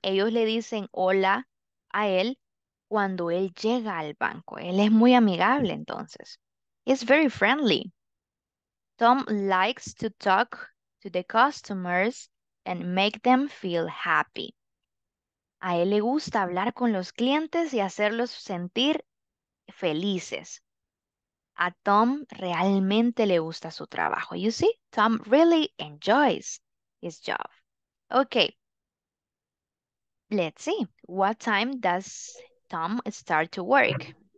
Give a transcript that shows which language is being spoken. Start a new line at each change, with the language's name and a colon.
Spanish: Ellos le dicen hola a él cuando él llega al banco. Él es muy amigable entonces.
English: It's very friendly. Tom likes to talk to the customers and make them feel happy.
Spanish: A él le gusta hablar con los clientes y hacerlos sentir felices. A Tom realmente le gusta su trabajo.
English: You see, Tom really enjoys his job. Okay, let's see. What time does Tom start to work?